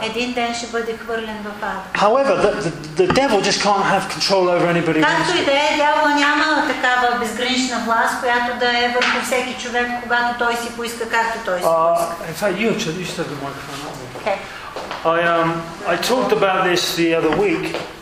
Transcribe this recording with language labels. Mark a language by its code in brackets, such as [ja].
[bg] Един ден ще бъде хвърлен в ада. [en] However, the devil just can't have control over anybody. [bg] Както и да е, дявола няма такава безгранична власт, която да е върху всеки човек, когато той си поиска, както той си поиска. [en] In fact, you said the microphone. I talked about this the other week.